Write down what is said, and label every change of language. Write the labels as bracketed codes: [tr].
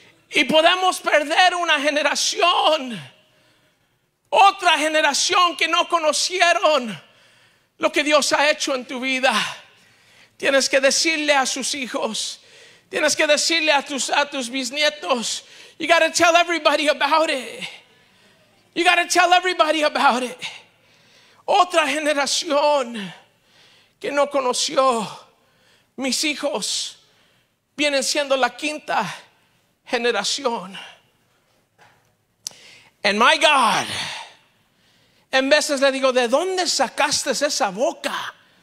[es] Y podemos perder una generación, otra generación que no conocieron lo que Dios ha hecho en tu vida. Tienes que decirle a sus hijos, tienes que decirle a tus bisnietos. [en] You gotta tell everybody about it. You gotta tell everybody about it. [es] Otra generación que no conoció. Mis hijos vienen siendo la quinta generación. [en] And my God, [es] en veces le digo, ¿de dónde sacaste esa boca?